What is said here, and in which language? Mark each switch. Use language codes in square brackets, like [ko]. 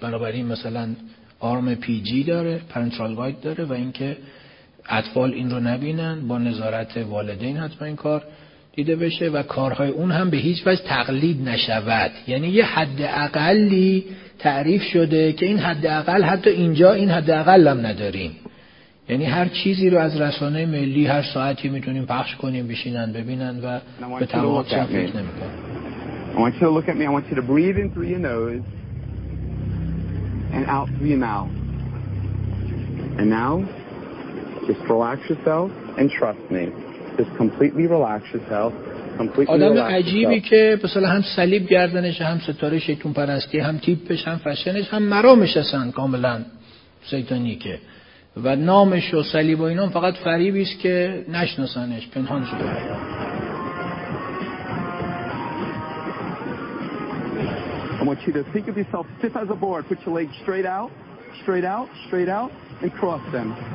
[fa] بنابراین مثلا آرم پی جی داره، پرنترال گاید داره و اینکه اطفال این رو نبینن، با نظارت والدین حتما این کار دیده بشه و کارهای اون هم به هیچ وجه تقلید نشود. یعنی یه حد اقلی تعریف شده که این حد اقل حتی اینجا این حد اقل هم نداریم. یعنی هر چیزی رو از رسانه ملی هر ساعتی میتونیم پخش کنیم، بشینن ببینن و به تمام چه فکر نمیکنن. [en] I want you to look at me. I want you to breathe in through your nose and out through your mouth. And now just relax yourself and trust me. is completely relax yourself. [fa] آدم عجیبی که مثلا هم صلیب گردنش، هم ستاره شیطون پرستی، هم تیپش، هم فشنش، هم مرامش هستن کاملا شیطانی که، و نامش و صلیب و اینام فقط فریبی است که نشناسنش، پنهان شده. [en] I want you to think of yourself stiff as a board. Put your legs straight out, straight out, straight out, and cross them.